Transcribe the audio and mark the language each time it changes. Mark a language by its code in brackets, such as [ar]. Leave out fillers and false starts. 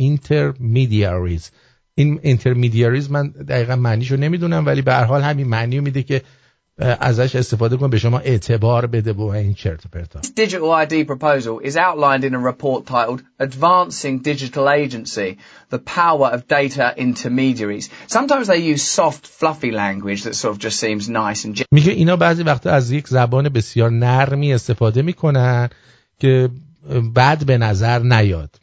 [fa] intermediaries، این intermediaries من دقیقا معنیشو نمیدونم، ولی به هر حال همین معنیو میده که ازش استفاده کنه، به شما اعتبار بده با این چرت و پرتا. [en] This digital ID proposal is outlined in a report titled Advancing Digital Agency: The Power of Data Intermediaries. Sometimes they use soft fluffy language that sort of just seems nice and [fa] میگه اینا بعضی وقتا از یک زبان بسیار نرمی استفاده میکنن که بعد به نظر نیاد.